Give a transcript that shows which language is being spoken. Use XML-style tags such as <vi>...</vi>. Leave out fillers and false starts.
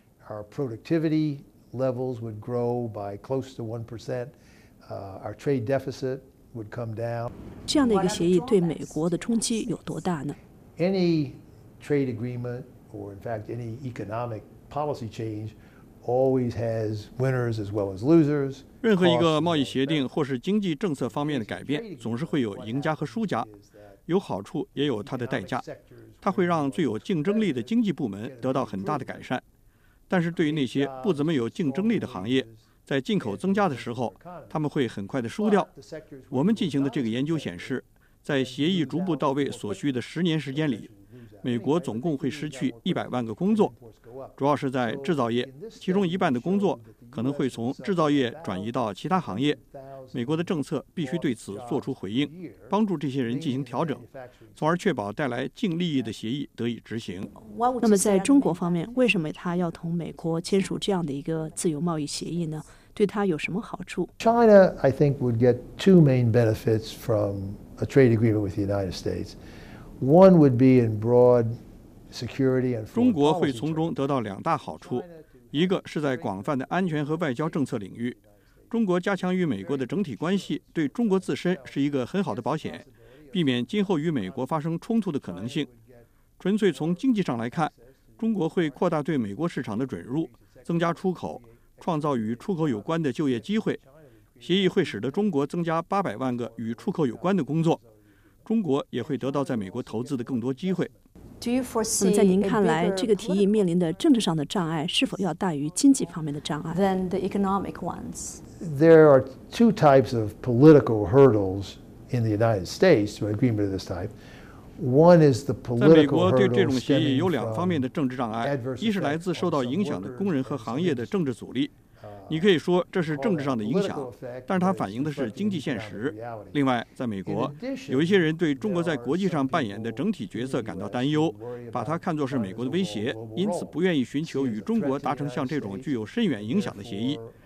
<en>Our productivity levels would grow by close to 1%. Our trade deficit would come down.</en> <zh>这样的一个协议对美国的冲击有多大呢？</zh> <en>Any trade agreement, or in fact any economic policy change. Always has winners as well as losers.</en> <zh>任何一个贸易协定或是经济政策方面的改变，总是会有赢家和输家，有好处也有它的代价。它会让最有竞争力的经济部门得到很大的改善，但是对于那些不怎么有竞争力的行业，在进口增加的时候，他们会很快的输掉。我们进行的这个研究显示，在协议逐步到位所需的10年时间里，美国总共会失去100万个工作。主要是在制造业，其中一半的工作可能会从制造业转移到其他行业。美国的政策必须对此做出回应，帮助这些人进行调整，从而确保带来净利益的协议得以执行。那么在中国方面，为什么他要同美国签署这样的一个自由贸易协议呢？对他有什么好处？</zh> <en>China, I think, would get two main benefits from a trade agreement with the United States. One would be in broad...</en> <zh>中国会从中得到两大好处，一个是在广泛的安全和外交政策领域，中国加强与美国的整体关系对中国自身是一个很好的保险，避免今后与美国发生冲突的可能性。纯粹从经济上来看，中国会扩大对美国市场的准入，增加出口，创造与出口有关的就业机会。协议会使得中国增加800万个与出口有关的工作，中国也会得到在美国投资的更多机会。那么在您看来，这个提议面临的政治上的障碍是否要大于经济方面的障碍？</zh> <en>Than the economic ones. There are two types of political hurdles in the United States to an agreement of this type. One is the political hurdles.</en> <zh>在美国对这种协议有两方面的政治障碍，一是来自受到影响的工人和行业的政治阻力。你可以说这是政治上的影响，但是它反映的是经济现实。另外，在美国，有一些人对中国在国际上扮演的整体角色感到担忧，把它看作是美国的威胁，因此不愿意寻求与中国达成像这种具有深远影响的协议。</zh>